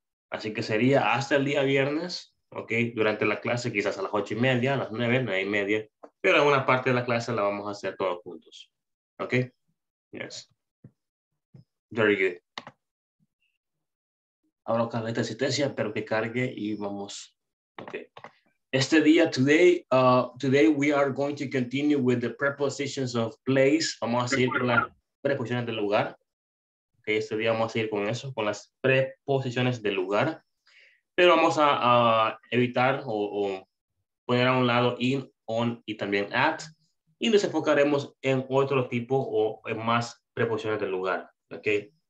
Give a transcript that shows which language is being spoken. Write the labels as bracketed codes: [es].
[es] Así que sería hasta el día viernes, ¿okay? Durante la clase quizás a las 8:30, a las 9:30, pero alguna parte de la clase la vamos a hacer todos juntos, ¿okay? [en] Yes. Very good. [es] Abro acá la asistencia, pero que cargue y vamos. [en] Okay. [es] Este día, [en] today we are going to continue with the prepositions of place. [es] Vamos a seguir con las preposiciones del lugar. Okay, este día vamos a seguir con eso, con las preposiciones del lugar. Pero vamos a evitar o poner a un lado in, on y también at. Y nos enfocaremos en otro tipo o en más preposiciones del lugar. Okay.